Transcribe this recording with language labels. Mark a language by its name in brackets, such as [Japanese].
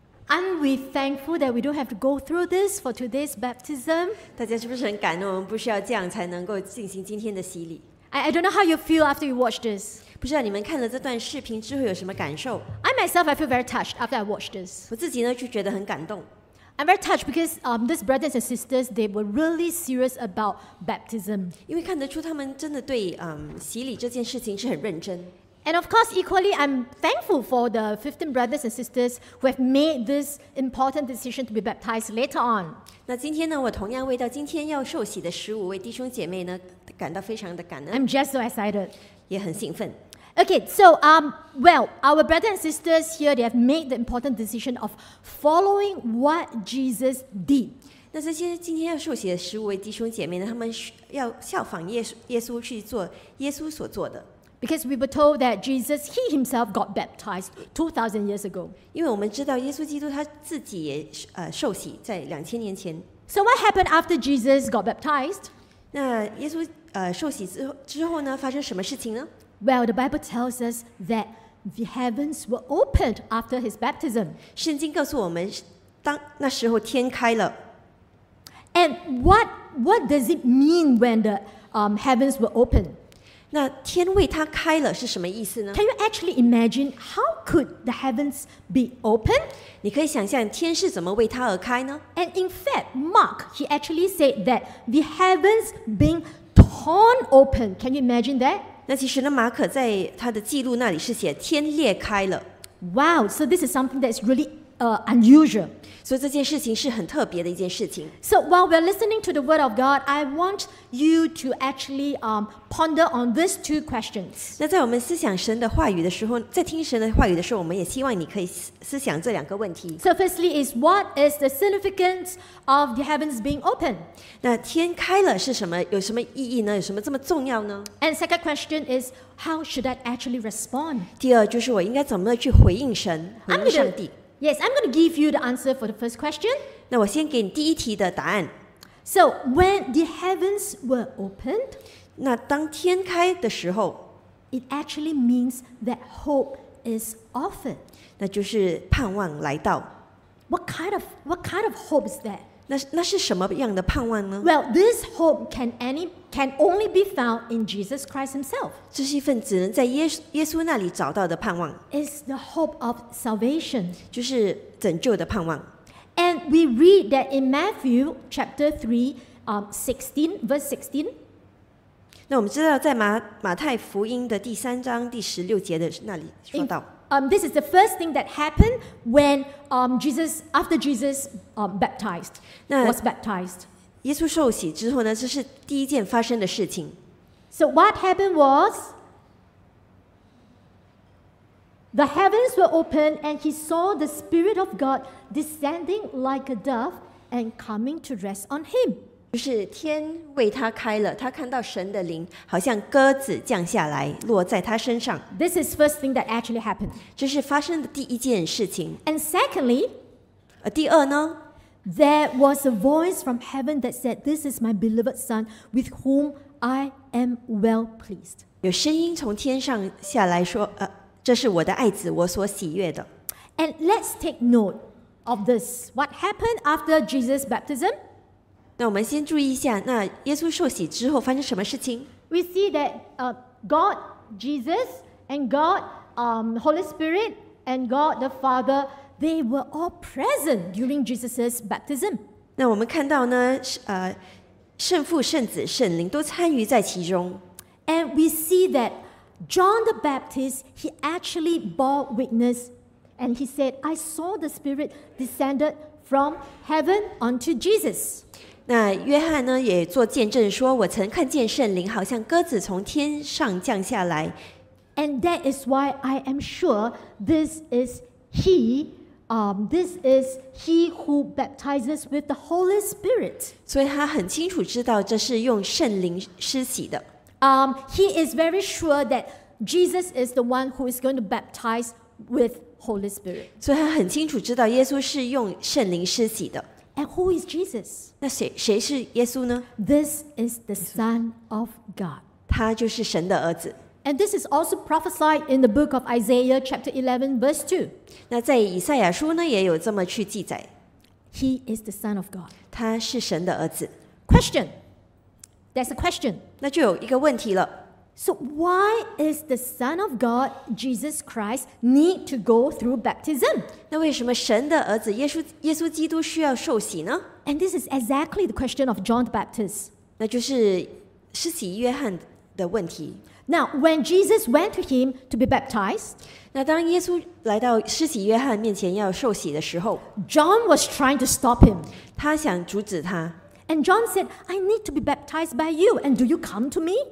[English] Aren't we thankful that we don't have to go through this for today's baptism? [Chinese] 大家是不是很感动？我们不需要这样才能够进行今天的洗礼。 [English] I don't know how you feel after you watch this. [Chinese] 不知道你们看了这段视频之后有什么感受 [English] ？I feel very touched after I watch this. [Chinese] 我自己呢就觉得很感动。 [English] I'm very touched because these brothers and sisters they were really serious about baptism. [Chinese] 因为看得出他们真的对洗礼这件事情是很认真。 [English] And of course, equally, I'm thankful for the 15 brothers and sisters who have made this important decision to be baptized later on. [Chinese] 那今天呢，我同样为到今天要受洗的15位弟兄姐妹呢，感到非常的感恩。 [English] I'm just so excited. [Chinese] 也很兴奋。 [English] Okay, so our brothers and sisters here, they have made the important decision of following what Jesus did. [Chinese] 那这些今天要受洗的15位弟兄姐妹呢，他们要效仿耶稣去做耶稣所做的。 [English] Because we were told that Jesus, he himself got baptized 2,000 years ago. [Chinese] 因为我们知道耶稣基督他自己也受洗在2000年前。 [English] So what happened after Jesus got baptized? [Chinese] 那耶稣受洗之后呢，发生什么事情呢？ [English] Well, the Bible tells us that the heavens were opened after his baptism. [Chinese] 圣经告诉我们，当那时候天开了。 [English] And what does it mean when the heavens were opened? [Chinese] 那天为他开了是什么意思呢？ [English] Can you actually imagine how could the heavens be opened? [Chinese] 你可以想象天是怎么为他而开呢？ [English] And in fact, Mark, he actually said that the heavens being torn open. Can you imagine that? [Chinese] 那其实呢，马可在他的记录那里是写天裂开了。 [English] Wow, so this is something that's really unusual. [Chinese] 所以这件事情是很特别的一件事情。 [English] So while we're listening to the word of God, I want you to actually ponder on these two questions. [Chinese] 那在我们思想神的话语的时候，在听神的话语的时候，我们也希望你可以思想这两个问题。 [English] So firstly, is what is the significance of the heavens being open? [Chinese] 那天开了是什么？有什么意义呢？有什么这么重要呢？ [English] And second question is how should I actually respond? [Chinese] 第二就是我应该怎么去回应神，回应上帝。 [English] Yes, I'm going to give you the answer for the first question. [Chinese] 那我先给你第一题的答案。 [English] So, when the heavens were opened, [Chinese] 那当天开的时候， [English] it actually means that hope is offered. [Chinese] 那就是盼望来到。 [English] What kind of hope is that? [Chinese] 那是什么样的盼望呢？ [English] Well, this hope can only be found in Jesus Christ himself. [Chinese] 这是一份只能在耶稣那里找到的盼望。 [English] It's the hope of salvation. [Chinese] 就是拯救的盼望。 [English] And we read that in Matthew chapter 3, 16, verse 16. [Chinese] 那我们知道在马太福音的第三章第十六节的那里说到。 [English] This is the first thing that happened when Jesus was baptized. [Chinese] 耶稣受洗之后呢，这是第一件发生的事情。 [English] So what happened was the heavens were opened and he saw the Spirit of God descending like a dove and coming to rest on him. [Chinese] 就是天为他开了，他看到神的灵好像鸽子降下来，落在他身上。 [English] This is first thing that actually happened. [Chinese] 这是发生的第一件事情。 [English] And secondly, [Chinese] 第二呢？ [English] There was a voice from heaven that said, "This is my beloved son, with whom I am well pleased." [Chinese] 有声音从天上下来说，这是我的爱子，我所喜悦的。 [English] And let's take note of this. What happened after Jesus' baptism? [Chinese] 那我们先注意一下，那耶稣受洗之后发生什么事情？ [English] We see that God, Jesus, and God, Holy Spirit, and God the Father. They were all present during Jesus' baptism. [Chinese] 那我们看到呢，圣父、圣子、圣灵都参与在其中。 [English] And we see that John the Baptist, he actually bore witness, and he said, "I saw the Spirit descended from heaven onto Jesus." [Chinese] 那约翰呢，也做见证说，我曾看见圣灵好像鸽子从天上降下来。 [English] And that is why I am sure this is he. This is he who baptizes with the Holy Spirit. [Chinese] 所以他很清楚知道这是用圣灵施洗的。 [English] He is very sure that Jesus is the one who is going to baptize with Holy Spirit. [Chinese] 所以他很清楚知道耶稣是用圣灵施洗的。 [English] And who is Jesus? [Chinese] 那谁是耶稣呢？ [English] This is the Son of God. [Chinese] 他就是神的儿子。 [English] And this is also prophesied in the book of Isaiah, chapter 11, verse 2. [Chinese] 那在以赛亚书呢，也有这么去记载。 [English] He is the Son of God. [Chinese] 他是神的儿子。 [English] Question. There's a question. [Chinese] 那就有一个问题了。 [English] So why is the Son of God, Jesus Christ, need to go through baptism? [Chinese] 那为什么神的儿子耶稣基督需要受洗呢？ [English] And this is exactly the question of John the Baptist. [Chinese] 那就是施洗约翰的问题。 [English] Now, when Jesus went to him to be baptized, [Chinese] 那当耶稣来到施洗约翰面前要受洗的时候， [English] John was trying to stop him. [Chinese] 他想阻止他。 [English] And John said, "I need to be baptized by you, and do you come to me?"